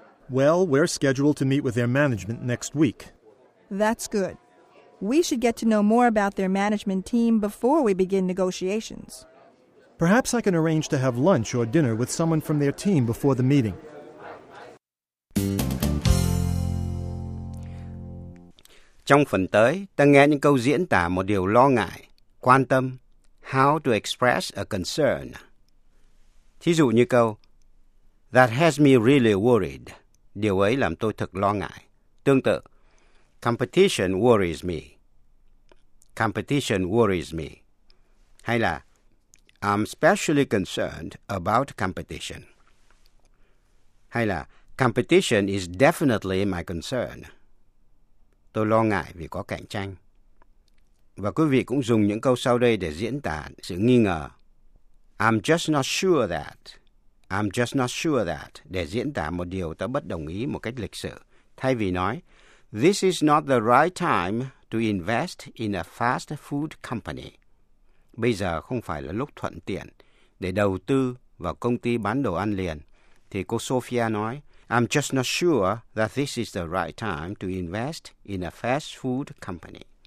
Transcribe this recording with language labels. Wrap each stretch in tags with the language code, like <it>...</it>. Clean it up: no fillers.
<en>Well, we're scheduled to meet with their management next week. That's good. We should get to know more about their management team before we begin negotiations. Perhaps I can arrange to have lunch or dinner with someone from their team before the meeting.</en> <vi>Trong phần tới, ta nghe những câu diễn tả một điều lo ngại, quan tâm,</vi> <en>how to express a concern.</en> <vi>Thí dụ như câu,</vi> <en>that has me really worried.</en> <vi>Điều ấy làm tôi thực lo ngại. Tương tự,</vi> <en>competition worries me. Competition worries me.</en> <vi>Hay là,</vi> <en>I'm specially concerned about competition.</en> <vi>Hay là,</vi> <en>competition is definitely my concern.</en> <vi>Tôi lo ngại vì có cạnh tranh. Và quý vị cũng dùng những câu sau đây để diễn tả sự nghi ngờ.</vi> <en>I'm just not sure that. I'm just not sure that.</en> <vi>Để diễn tả một điều ta bất đồng ý một cách lịch sự. Thay vì nói,</vi> <en>this is not the right time to invest in a fast food company.</en> <vi>Bây giờ không phải là lúc thuận tiện để đầu tư vào công ty bán đồ ăn liền. Thì cô Sophia nói,</vi> <en>I'm just not sure that this is the right time to invest in a fast food company.</en>